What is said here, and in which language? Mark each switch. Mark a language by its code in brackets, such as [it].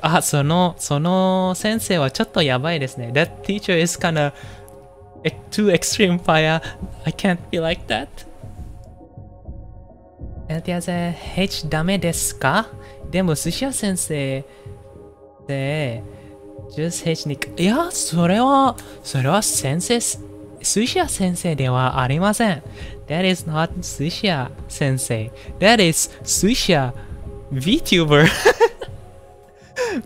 [ja] あ、その先生はちょっとやばいですね。 [en] That teacher is kind of too extreme fire. I can't be like that. [ja] エルティアゼ、H ダメですか？でも寿司屋先生で、ジュース H に、いや、それは先生、寿司屋先生ではありません。 [en] That is not 寿司屋先生。That is 寿司屋 VTuber 。